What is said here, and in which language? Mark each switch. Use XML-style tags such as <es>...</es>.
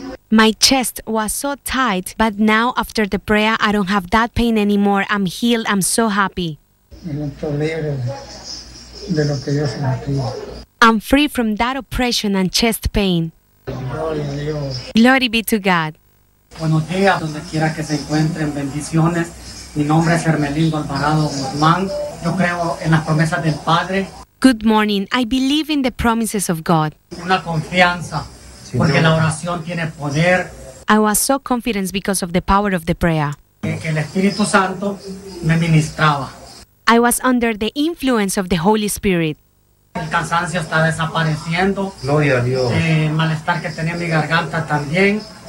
<en>My chest was so tight, but now after the prayer, I don't have that pain anymore. I'm healed. I'm so happy. I'm free from that oppression and chest pain. Glory be to God.</en> <es>Buenos días, donde quiera que se encuentren, bendiciones. Mi nombre es Hermelindo Alvarado Guzmán. Yo creo en las promesas del Padre.</es> <en>Good morning. I believe in the promises of God.</en> <es>Una confianza. Porque la oración tiene poder.</es> <en>I was so confident because of the power of the prayer.</en> <es>Que el Espíritu Santo me ministraba.</es> <en>I was under the influence of the Holy Spirit.</en> <es>El cansancio está desapareciendo. Gloria a Dios. El malestar que tenía en mi garganta también.</es>